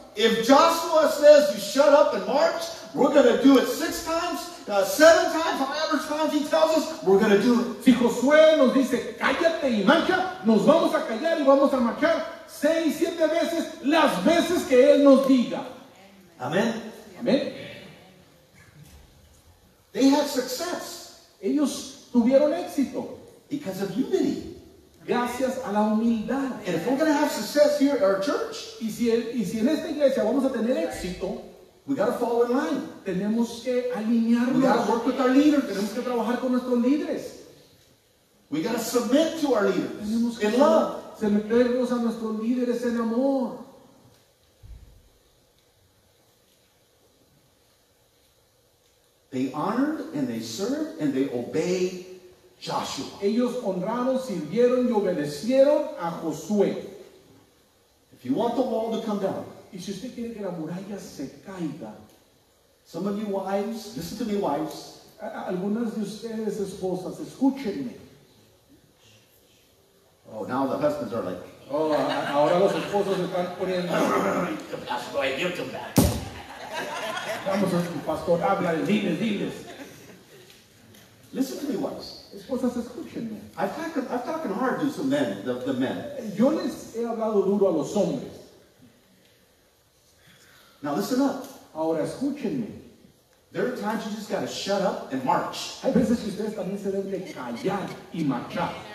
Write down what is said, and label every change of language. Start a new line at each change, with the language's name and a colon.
English: If Joshua says you shut up and march, we're gonna do it 6 times. 7 times, however times he tells us, we're going to do it.
Spanish: Si Josué nos dice, cállate y marcha, nos vamos a callar y vamos a marchar 6, 7 veces, las veces que él nos diga.
English: Amen.
Spanish: Amen.
English: They had success.
Spanish: Ellos tuvieron éxito.
English: Because of humility.
Spanish: Gracias a la humildad.
English: And if we're going to have success here at our church,
Spanish: y si en esta iglesia vamos a tener éxito,
English: we gotta follow in line.
Spanish: Tenemos que alinearnos.
English: We gotta work with our leaders.
Spanish: Tenemos que trabajar con nuestros líderes.
English: We gotta submit to our leaders.
Spanish: Tenemos que
English: in love.
Spanish: Someternos a nuestros líderes en amor.
English: They honored and they served and they obeyed Joshua.
Spanish: Ellos honraron, sirvieron y obedecieron a Josué.
English: If you want the wall to come down.
Spanish: Y si usted quiere que la muralla se caiga,
English: some of you wives, listen to me, wives.
Spanish: Algunas de ustedes esposas, escúchenme.
English: Oh, now the husbands are like.
Spanish: Oh, ahora los esposos están poniendo.
English: Pastor, give them back.
Spanish: Vamos a ver, pastor, habla, diles.
English: Listen to me, wives.
Spanish: Esposas, escúchenme.
English: I've talked hard to some men, the men.
Spanish: Yo les he hablado duro a los hombres.
English: Now listen up.
Spanish: Ahora escúchenme.
English: There are times you just gotta shut up and march.
Spanish: Hay veces que ustedes también se deben callar y marchar.